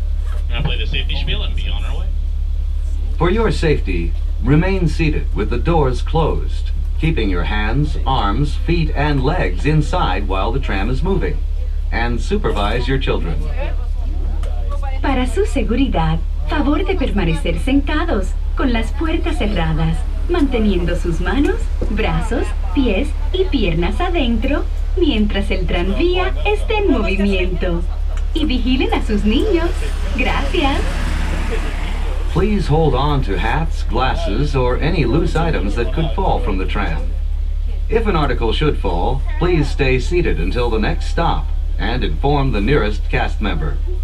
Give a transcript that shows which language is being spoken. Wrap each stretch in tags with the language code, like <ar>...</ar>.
<en>I'm going to play the safety spiel and be on our way. For your safety, remain seated with the doors closed, keeping your hands, arms, feet, and legs inside while the tram is moving, and supervise your children.</en> <es>Para su seguridad, favor de permanecer sentados con las puertas cerradas, manteniendo sus manos, brazos, pies y piernas adentro mientras el tranvía esté en movimiento. Y vigilen a sus niños. Gracias.</es> <en>Please hold on to hats, glasses, or any loose items that could fall from the tram. If an article should fall, please stay seated until the next stop and inform the nearest cast member.</en>